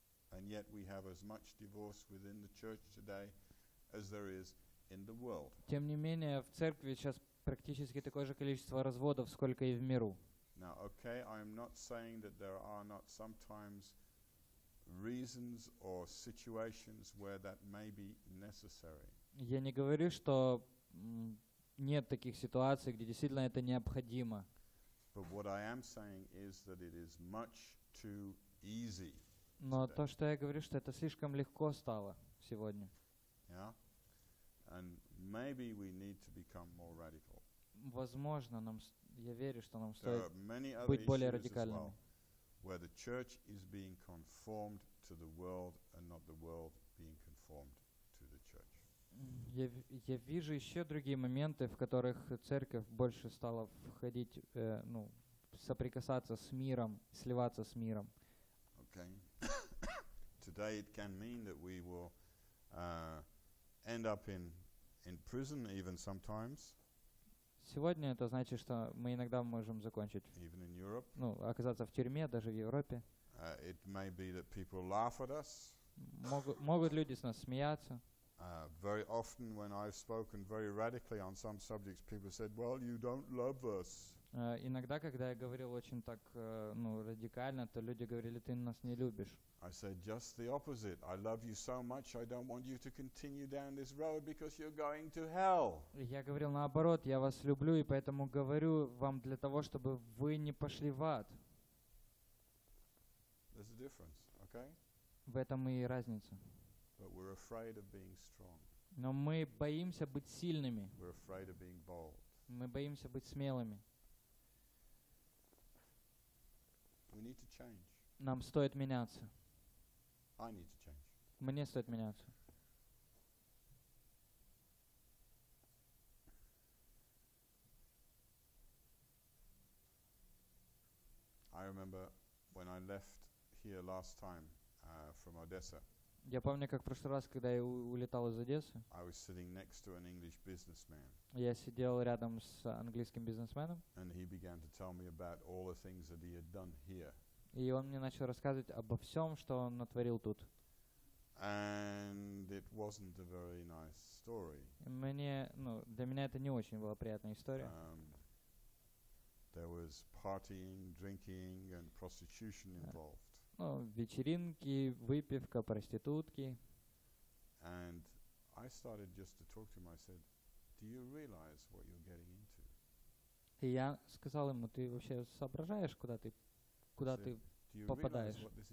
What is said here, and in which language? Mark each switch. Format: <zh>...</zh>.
<en>And yet we have as much divorce within the church today as there is in the world.</en> <ru>Тем не менее, в церкви сейчас практически такое же количество разводов, сколько и в миру.</ru> <en>Now, okay, I'm not saying that there are not sometimes reasons or situations where that may be necessary.</en> <ru>Я не говорю, что нет таких ситуаций, где действительно это необходимо.</ru> <en>But what I am saying is that it is much too easy.</en> <ru>Но то, что я говорю, что это слишком легко стало сегодня.</ru> <en>Yeah. And maybe we need to become more radical.</en> <ru>Возможно, я верю, что нам стоит быть более радикальными.</ru> <en>Where the church is being conformed to the world and not the world being conformed to the church.</en> <ru>Я вижу еще другие моменты, в которых церковь больше стала входить, соприкасаться с миром, сливаться с миром.</ru> <en>Okay. Today it can mean that we will end up in prison even sometimes.</en> <ru>Сегодня это значит, что мы иногда можем закончить.</ru> <en>Even in Europe.</en> <ru>Ну, оказаться в тюрьме, даже в Европе.</ru> <en>It may be that people laugh at us.</en> <ru>Могут люди с нас смеяться.</ru> <en>Very often when I've spoken very radically on some subjects, people said, well, you don't love us.</en> <ru>Иногда, когда я говорил очень так, радикально, то люди говорили, ты нас не любишь.</ru> <en>I said, just the opposite. I love you so much, I don't want you to continue down this road because you're going to hell.</en> <ru>Я говорил наоборот, я вас люблю, и поэтому говорю вам для того, чтобы вы не пошли в ад.</ru> <en>There's a difference, okay?</en> <ru>В этом и разница.</ru> <en>But we're afraid of being strong.</en> <ru>Но мы боимся быть сильными.</ru> <en>We're afraid of being bold.</en> <ru>Мы боимся быть смелыми.</ru> <en>We need to change.</en> <ru>Нам стоит меняться.</ru> <en>I need to change.</en> <ru>Мне стоит меняться.</ru> <en>I remember when I left here last time from Odessa.</en> <ru>Я помню, как в прошлый раз, когда я улетал из Одессы,</ru> <en>I was sitting next to an English businessman.</en> <ru>Я сидел рядом с английским бизнесменом,</ru> <en>and he began to tell me about all the things that he had done here.</en> <ru>И он мне начал рассказывать обо всем, что он натворил тут.</ru> <en>And it wasn't a very nice story.</en> <ru>Для меня это не очень была приятная история.</ru> <en>There was partying, drinking, and prostitution involved.</en> <ru>Ну, вечеринки, выпивка, проститутки.</ru> <en>And I started just to talk to him. I said, "Do you realize what you're getting into?"</en> <ru>И я сказал ему, ты вообще соображаешь, куда ты попадаешь?</ru>